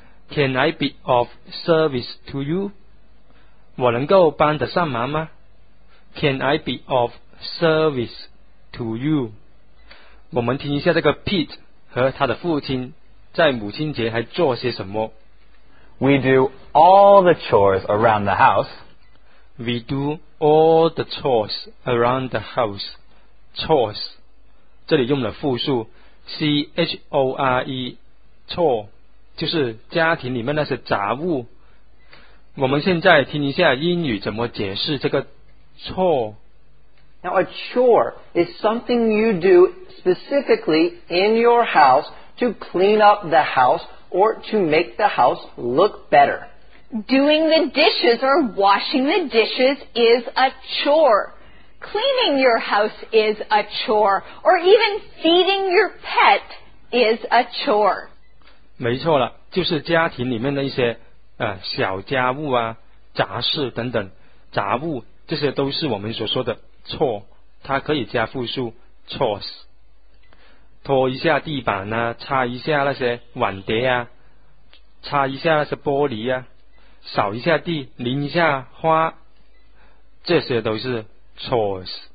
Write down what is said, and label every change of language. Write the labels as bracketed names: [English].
[English] Can I be of service to you？ [Chinese] 我能够帮得上忙吗 [English] ？Can I be of service to you？ [Chinese] 我们听一下这个 Pete 和他的父亲在母亲节还做些什么。 [English] We do all the chores around the house. We do all the chores around the house. [Chinese] Chores， 这里用了复数 ，chore， chore 就是家庭里面那些杂物。我们现在听一下英语怎么解释这个 chore。 [English] Now a chore is something you do specifically in your house to clean up the house. Or to make the house look better. Doing the dishes or washing the dishes is a chore. Cleaning your house is a chore. Or even feeding your pet is a chore. [Chinese] 没错了，就是家庭里面的一些小家务啊、杂事等等，杂物，这些都是我们所说的 chore， 它可以加复数 chores。拖一下地板啊，擦一下那些碗碟啊，擦一下那些玻璃啊，扫一下地，淋一下花，这些都是 chores。